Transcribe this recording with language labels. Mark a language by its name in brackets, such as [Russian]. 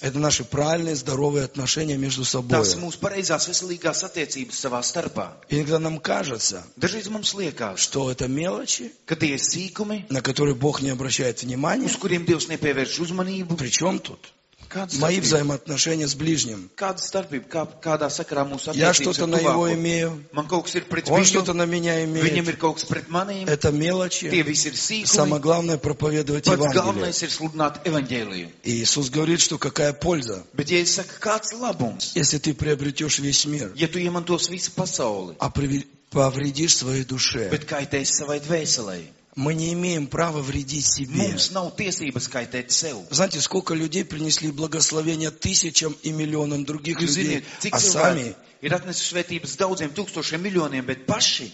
[Russian] Это наши правильные, здоровые отношения между собой. [Latvian] Tās mūsu pareizās, veselīgās attiecības savā starpā. [Russian] Иногда нам кажется, [Latvian] Dažreiz mums liekas, [Russian] что это мелочи, [Latvian] ka tie ir sīkumi, [Russian] на которые Бог не обращает внимания, [Latvian] uz kuriem Dievs nepievērš uzmanību. [Russian] Причём тут? Мои взаимоотношения с ближним. [Latvian] Kāda starpība, kādā sakarā mūsu attiecības? [Russian] Я что-то на него имею. [Latvian] Man kaut kas ir pret viņu. [Russian] Он что-то на меня имеет. [Latvian] Viņam ir kaut kas pret mani. [Russian] Это мелочи. [Latvian] Tie visi ir sīkumi. [Russian] Самое главное проповедовать Евангелие. [Latvian] Pats galvenais ir sludināt Evangeliju. [Russian] Иисус говорит, что какая польза. [Latvian] Bet Jēzus saka, kāds labums. [Russian] Если ты приобретёшь весь мир. [Latvian] Ja tu iemantos visu pasauli. [Russian] А повредишь своей душе. [Latvian] Bet kaitēs savai dvēselei. [Russian] Мы не имеем права вредить себе. [Latvian] Mums nav tiesības kaitēt sev. [Russian] Знаете, сколько людей принесли благословения тысячам и миллионам других людей, а сами [Latvian] ir atnesis svētības daudziem tūkstošiem miljoniem, bet paši